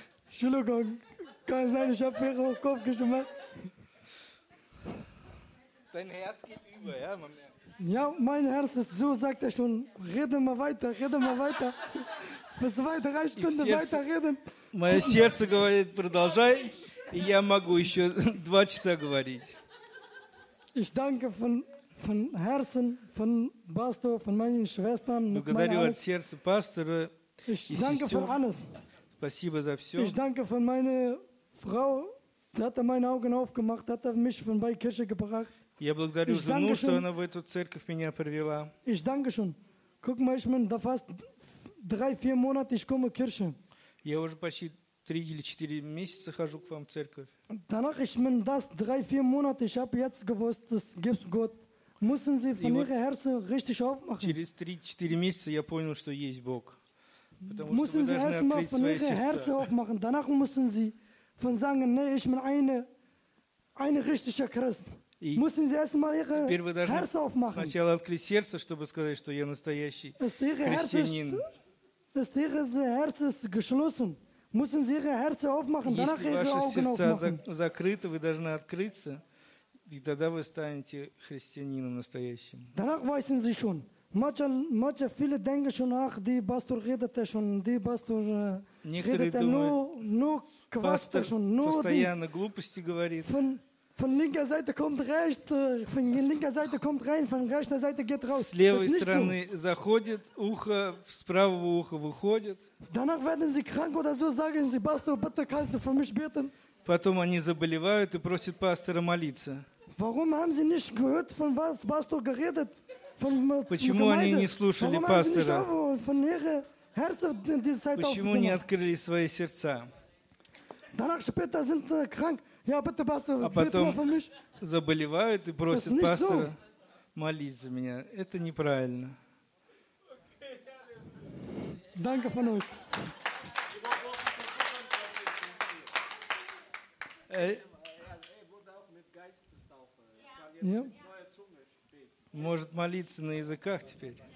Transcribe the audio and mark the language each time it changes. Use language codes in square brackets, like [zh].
[de] Шилогон, kann sein, ich habe mir auf Kopf geschmackt. Dein Herz geht über, ja, man merkt. Ja, mein Herz ist so, sagt er schon, rede mal weiter, rede mal weiter. Bis zwei, drei Stunden weiter reden. [ru] Мое сердце говорит, продолжай, и я могу еще два часа говорить. [de] Ich danke von Herzen, von Pastor, von meinen Schwestern. [ru] Благодарю от сердца пастора и сестер. [de] Ich danke von alles. [ru] Спасибо за все. [de] Ich danke von meiner Frau, die hat meine Augen aufgemacht, hat mich von bei Kirche gebracht. [ru] Я благодарю ich жену, что она в эту церковь меня привела. [de] Ich danke schon. Guck mal, ich bin da fast 3-4 Monate, ich komme Kirche. [ru] Я уже почти 3 или 4 месяца хожу к вам в церковь. [de] Danach, ich bin das 3-4 Monate, ich habe jetzt gewusst, das gibt's Gott. Müssen Sie von Ihrem Herzen richtig aufmachen. [ru] Через 3-4 месяца я понял, что есть Бог. [de] Müssen Sie erstmal von Ihrem Herzen aufmachen. Danach müssen Sie von sagen, nee, ich bin eine richtige Christ. Müssen Sie erstmal Ihr Herz aufmachen. [ru] Сначала открыть сердце, чтобы сказать, что я настоящий христианин. [de] Ist Ihr Herz geschlossen? Müssen Sie Ihr Herz aufmachen, danach Ihre Augen aufmachen. [ru] Если ваше сердце закрыто, вы должны открыться, и тогда вы станете христианином настоящим. [de] Danach wissen Sie schon. Manche viele denken schon, ach, die Pastor redet er schon, die Pastor redet er nur Quatsch schon, nur [ru] постоянно глупости говорит. [de] Von linker Seite kommt recht, von linker Seite kommt rein, von rechter Seite geht raus. [ru] С левой стороны заходит ухо, с правого уха выходит. [de] Danach werden sie krank oder so, sagen sie, Pastor, bitte kannst du für mich beten. [ru] Потом они заболевают и просят пастора молиться. [de] Warum haben sie nicht gehört, von was Pastor geredet? Von [ru] Почему они не слушали [de] Warum [ru] пастора? [de] Von ihre Herzen diese Seite aufgenommen? [ru] Почему не открыли свои сердца? [de] Danach später sind krank. Ja, bitte, Pastor, [ru] а потом заболевают и просят пастора молить за меня. Это неправильно. [de] Danke von euch. Er wurde auch mit Geistestaufe. Er kann jetzt mit neuer Zunge sprechen. [ru] может молиться на языках теперь.